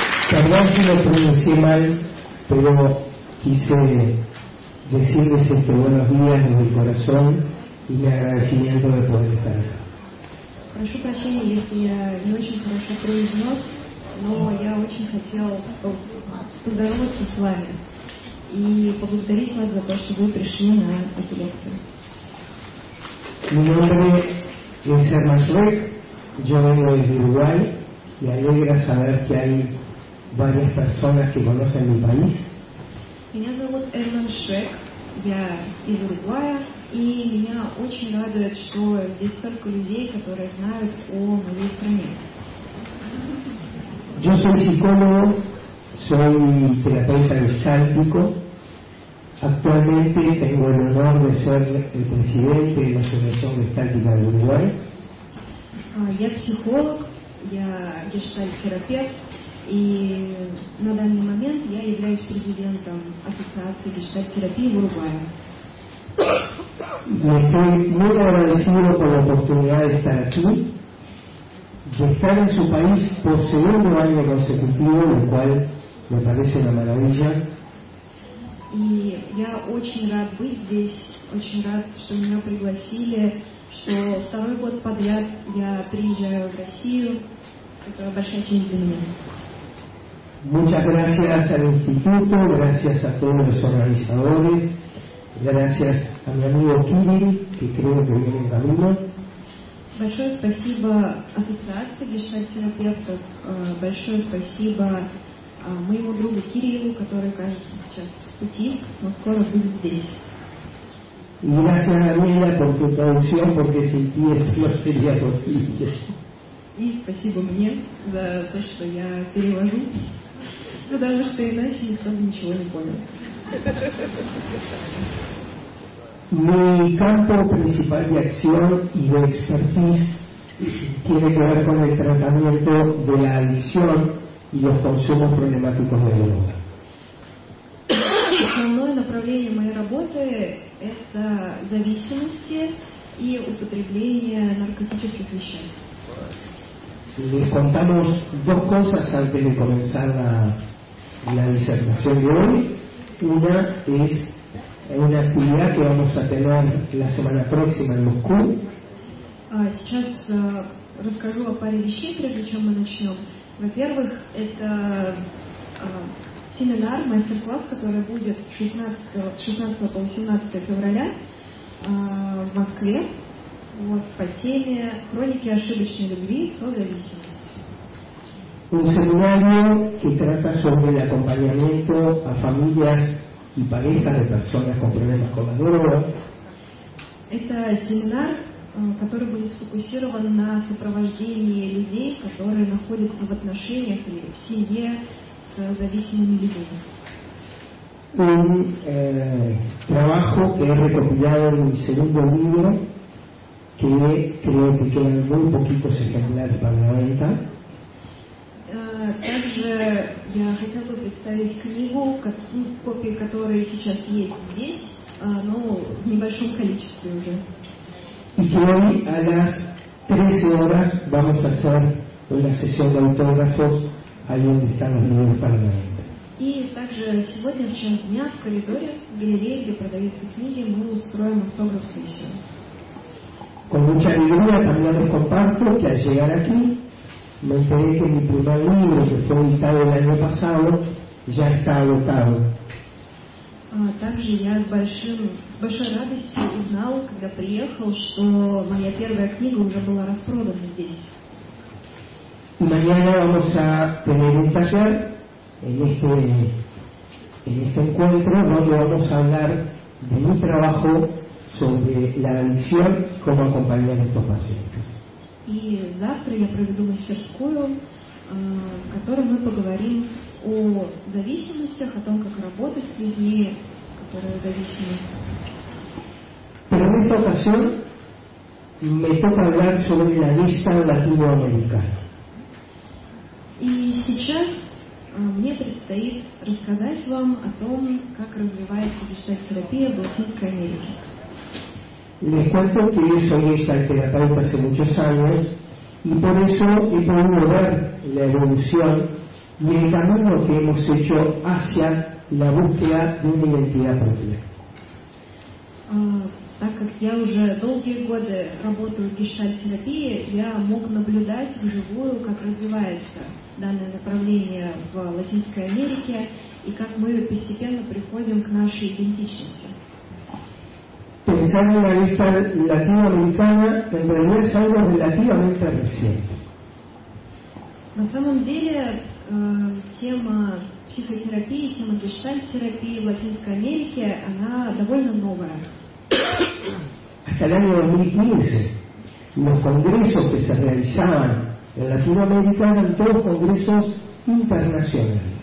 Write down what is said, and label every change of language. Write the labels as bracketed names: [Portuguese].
[Russian] Согласно приносимое про кисели [Spanish] decirles este buenos días de mi corazón y mi agradecimiento de poder estar acá. [Russian] Прошу прощения, если я не очень хорошо произнес, но я очень хотел поздороваться с вами и поблагодарить вас за то, что вы пришли на эту лекцию. [Spanish] Mi nombre es Hermann Schreck, yo vengo desde Uruguay y alegra saber que hay varias personas que conocen mi país. [Russian] Меня зовут Эрман Шрек, я из Уругвая, и меня очень радует, что здесь столько людей, которые знают о моей стране. [Spanish] Yo soy psicólogo, soy terapeuta gestáltico. Actualmente tengo el honor de ser el presidente de la Asociación Gestáltica de Uruguay. [Russian] Я психолог, я гештальт-терапевт. И на данный момент я являюсь президентом Ассоциации гештальт-терапии в Уругвае. [Spanish] Me estoy muy agradecido por la oportunidad de estar aquí, de estar en su país por segundo año consecutivo, lo cual me parece una maravilla. [Russian] И я очень рад быть здесь, очень рад, что меня пригласили, что второй год подряд я приезжаю в Россию. Это большая честь для меня. [Spanish] Muchas gracias al Instituto, gracias a todos los organizadores, gracias a mi amigo Kirill, que creo que viene en camino. [Russian] Большое спасибо Ассоциации гештальт-терапевтов, большое спасибо моему другу Кириллу, который, кажется, сейчас в пути, но скоро будет здесь. [Spanish] Gracias, Daniela, por tu traducción, porque sin ti esto no sería posible. [Russian] И спасибо мне за то, что я перевожу. Даже что иначе никто ничего не понял. [Spanish] Mi campo principal de acción y de expertise tiene que ver con el tratamiento de la adicción y los consumos problemáticos de droga. [Russian] Основное направление моей работы – это зависимости и употребление наркотических веществ. [Spanish] Les contamos dos cosas antes de comenzar la disertación de hoy. Una es una actividad que vamos a tener la semana próxima en Moscú. [Russian] Сейчас расскажу о паре вещей, прежде чем мы начнем. Во-первых, это семинар, мастер-класс, который будет 16 по 18 февраля в Москве. Вот, по теме «Хроники ошибочной любви и созависимости». [Spanish] Un seminario que trata sobre el acompañamiento a familias y parejas de personas con problemas con la droga. [Russian] Это семинар, который будет сфокусирован на сопровождении людей, которые находятся в отношениях или в семье с зависимыми людьми. [Spanish] Un trabajo que he recopilado en mi segundo libro, que creo que quedan muy poquitos ejemplares para la venta. [Russian] Также я хотел бы представить книгу, копии которой сейчас есть здесь, но в небольшом количестве уже. И [Spanish] hoy a las 13 horas vamos a hacer una sesión de autógrafos ahí donde están los libros para la venta. [Russian] И также сегодня в час дня в коридоре, в галерее, где продаются книги, мы устроим автограф-сессию. [Spanish] Con mucha alegría también les comparto que al llegar aquí me enteré que mi primer libro, que fue editado el año pasado, ya está agotado. [Russian] Также я с большой радостью узнал, когда приехал, что моя первая книга уже была распродана здесь. [Spanish] Y mañana vamos a tener un taller en este encuentro donde vamos a hablar de mi trabajo sobre la adicción, cómo acompañar a estos pacientes. Y [Russian] завтра я проведу мастерскую, в которой мы поговорим о зависимостях, о том, как работать с людьми, которые зависимы. [Spanish] Pero en esta ocasión me toca hablar sobre la lista latinoamericana. Y [Russian] сейчас мне предстоит рассказать вам о том, как развивается гештальт-терапия в Латинской Америке. [Spanish] Les cuento que yo soy gestalt-terapeuta hace muchos años y por eso he podido ver la evolución y el camino que hemos hecho hacia la búsqueda de una identidad propia. [Russian] Так как я уже долгие годы работаю в гештальт-терапии, я мог наблюдать вживую, как развивается данное направление в Латинской Америке и как мы постепенно приходим к нашей идентичности. [Spanish] Pensando en la lista latinoamericana, en realidad es algo relativamente reciente. [Russian] На самом деле, тема психотерапии, тема гештальт-терапии в Латинской Америке, она довольно новая. [Spanish] Hasta el año 2015, los congresos que se realizaban en Latinoamérica eran todos congresos internacionales.